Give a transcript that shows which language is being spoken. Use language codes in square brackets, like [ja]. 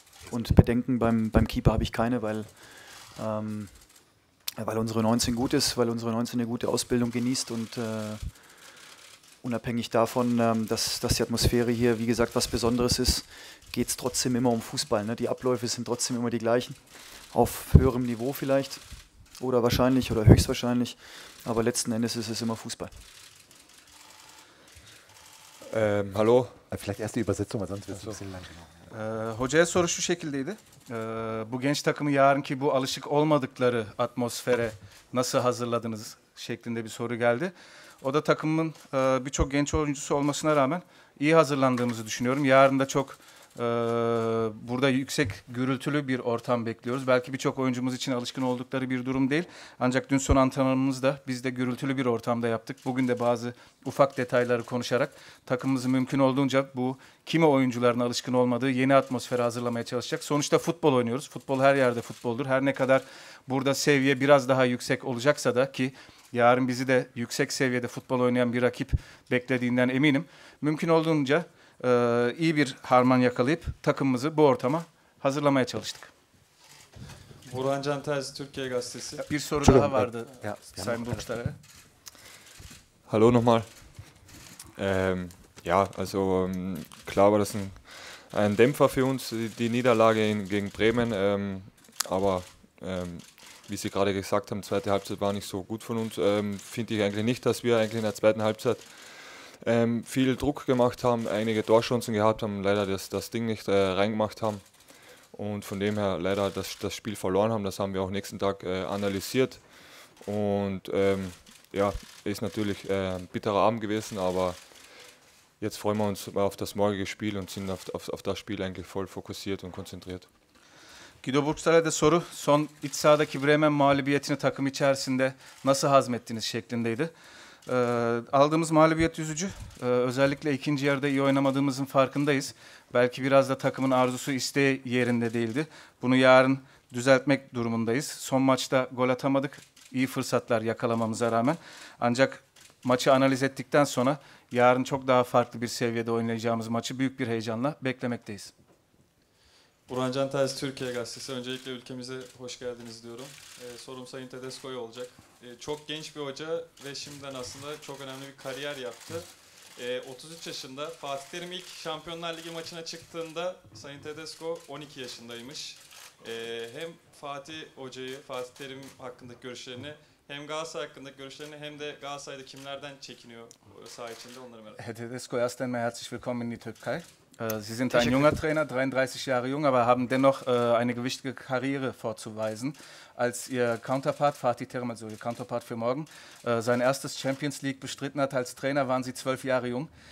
[de] Und Bedenken beim Keeper habe ich keine, weil unsere 19 gut ist, weil unsere 19 eine gute Ausbildung genießt und unabhängig davon, dass die Atmosphäre hier, wie gesagt, was Besonderes ist, geht es trotzdem immer um Fußball. Ne? Die Abläufe sind trotzdem immer die gleichen, auf höherem Niveau vielleicht. Oder wahrscheinlich oder höchstwahrscheinlich, aber letzten Endes ist es immer Fußball. Hallo. Vielleicht erst die Übersetzung, weil sonst wird es ein bisschen lang. [tr] Hocaya soru şu şekildeydi. Bu genç takımı yarınki bu alışık olmadıkları atmosfere nasıl hazırladınız? şeklinde bir soru geldi. O da takımın birçok genç oyuncusu olmasına rağmen iyi hazırlandığımızı düşünüyorum. Yarın da çok burada yüksek gürültülü bir ortam bekliyoruz. Belki birçok oyuncumuz için alışkın oldukları bir durum değil. Ancak dün son antrenmanımızda biz de gürültülü bir ortamda yaptık. Bugün de bazı ufak detayları konuşarak takımımızı mümkün olduğunca bu kimi oyuncuların alışkın olmadığı yeni atmosfere hazırlamaya çalışacak. Sonuçta futbol oynuyoruz. Futbol her yerde futboldur. Her ne kadar burada seviye biraz daha yüksek olacaksa da ki yarın bizi de yüksek seviyede futbol oynayan bir rakip beklediğinden eminim. Mümkün olduğunca iyi bir harman yakalayıp takımımızı bu ortama hazırlamaya çalıştık. Orhan Can Terzi, Türkiye Gazetesi. Bir soru daha vardı Sayın Burçlar'a. [de] Hallo nochmal. Ja, also klar war das ein Dämpfer für uns, die Niederlage gegen Bremen. Aber wie Sie gerade gesagt haben, zweite Halbzeit war nicht so gut von uns. Finde ich eigentlich nicht, dass wir eigentlich in der zweiten Halbzeit viel Druck gemacht haben, einige Torschancen gehabt haben, leider das Ding nicht reingemacht haben und von dem her leider das Spiel verloren haben. Das haben wir auch nächsten Tag analysiert und ist natürlich ein bitterer Abend gewesen, aber jetzt freuen wir uns auf das morgige Spiel und sind auf das Spiel eigentlich voll fokussiert und konzentriert. [tr] Guido Burçlar'a da soru, son iç sahadaki Bremen mağlubiyetini takım içerisinde nasıl hazmettiğiniz şeklindeydi. Aldığımız mağlubiyet üzücü. Özellikle ikinci yarıda iyi oynamadığımızın farkındayız. Belki biraz da takımın arzusu isteği yerinde değildi. Bunu yarın düzeltmek durumundayız. Son maçta gol atamadık. İyi fırsatlar yakalamamıza rağmen. Ancak maçı analiz ettikten sonra yarın çok daha farklı bir seviyede oynayacağımız maçı büyük bir heyecanla beklemekteyiz. Burhan Can Terzi, Türkiye Gazetesi. Öncelikle ülkemize hoş geldiniz diyorum. Sorum Sayın Tedesco'ya olacak. Çok genç bir hoca ve şimdiden aslında çok önemli bir kariyer yaptı. 33 yaşında Fatih Terim ilk Şampiyonlar Ligi maçına çıktığında Sayın Tedesco 12 yaşındaymış. Hem Fatih Hoca'yı, Fatih Terim hakkındaki görüşlerini, hem Galatasaray hakkındaki görüşlerini, hem de Galatasaray'da kimlerden çekiniyor saha içinde onları merak ediyorum. [de] Tedesco, erst einmal herzlich willkommen in die Türkei. Sie sind ein junger Trainer, 33 Jahre jung, aber haben dennoch eine gewichtige Karriere vorzuweisen. Als Ihr Counterpart, Fatih Terim, also Ihr Counterpart für morgen, sein erstes Champions League bestritten hat als Trainer, waren Sie 12 Jahre jung.